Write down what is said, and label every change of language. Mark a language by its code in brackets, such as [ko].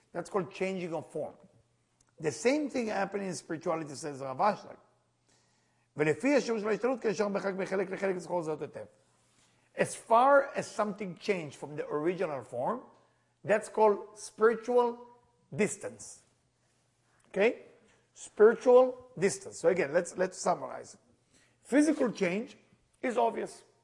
[en] That's called changing of form. The same thing happened in spirituality, says Rav Ashlag. [he] ולפי השיעור של ההשתנות, כאשר מחלק מחלק לחלק, זכור זאת היטב. [en] As far as something changed from the original form, that's called spiritual distance. Okay? Spiritual distance. So again, let's summarize. Physical change is obvious.